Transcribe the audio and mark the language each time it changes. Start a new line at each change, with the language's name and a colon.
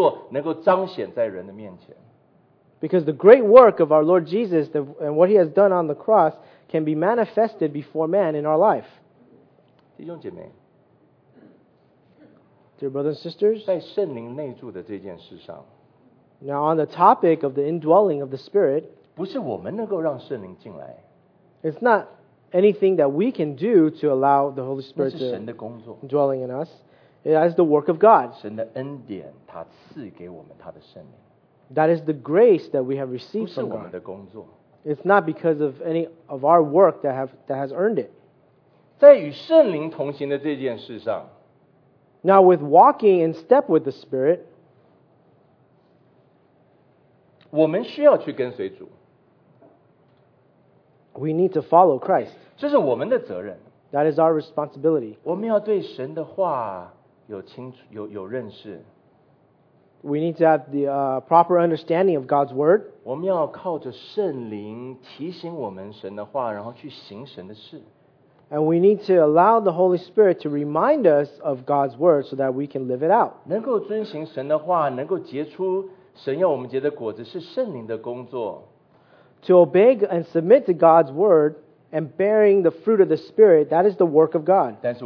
Chinese: 因为主耶稣基督在十字架上面成就的救恩，在我们生命里面所形成的这个伟大的工作，能够彰显在人的面前。
English: Because the great work of our Lord Jesus and what He has done on the cross can be manifested before man in our life.
Chinese: 弟兄姐妹,
English: dear brothers and sisters,
Chinese: 在圣灵内住的这件事上,
English: now on the topic of the indwelling of the Spirit,
Chinese: 不是我们能够让圣灵进来,
English: it's not anything that we can do to allow the Holy Spirit to dwell in us. It is the work of God.
Chinese: 神的恩典他赐给我们他的圣灵,
English: that is the grace that we have received from God.
Chinese: 不是我们的工作,
English: it's not because of any of our work that has earned it.
Chinese: 在与圣灵同行的这件事上,
English: now with walking in step with the Spirit,
Chinese: 我们需要去跟随主。
English: We need to follow Christ.
Chinese: 这是我们的责任。
English: That is our responsibility.
Chinese: 我们要对神的话有认识。
English: We need to have the proper understanding of God's word.
Chinese: 我们要靠着圣灵提醒我们神的话, 然后去行神的事。
English: And we need to allow the Holy Spirit to remind us of God's word so that we can live it out.
Chinese: 能够遵行神的话, 能够结出神要我们结的果子是圣灵的工作。
English: To obey and submit to God's word and bearing the fruit of the Spirit, that is the work of God.